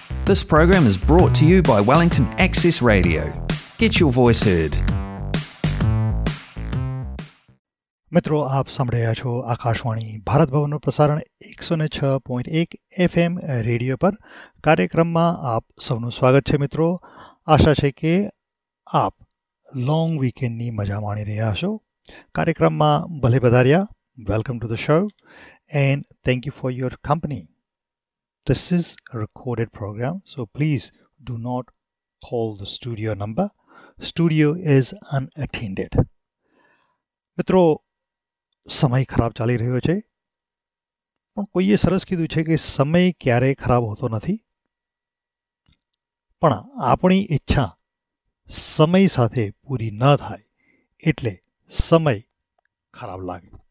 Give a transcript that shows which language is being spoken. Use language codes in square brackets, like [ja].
[en] This program is brought to you by Wellington Access Radio. Get your voice heard. [gu] મિત્રો આપ સાંભળી રહ્યા છો આકાશવાણી ભારત ભવનનું પ્રસારણ 106.1 FM રેડિયો પર. કાર્યક્રમમાં આપ સૌનું સ્વાગત છે. મિત્રો, આશા છે કે આપ લોંગ વીકેન્ડની મજા માણી રહ્યા હશો. કાર્યક્રમમાં ભલે પધાર્યા, [en] Welcome to the show and thank you for your company. This is a recorded program, so please do not call the studio number. Studio is unattended. [gu] મિત્રો, સમય ખરાબ ચાલી રહ્યો છે, પણ કોઈએ સરસ કીધું છે કે સમય ક્યારેય ખરાબ હોતો નથી, પણ આપણી ઈચ્છા સમય સાથે પૂરી ન થાય એટલે સમય ખરાબ લાગે.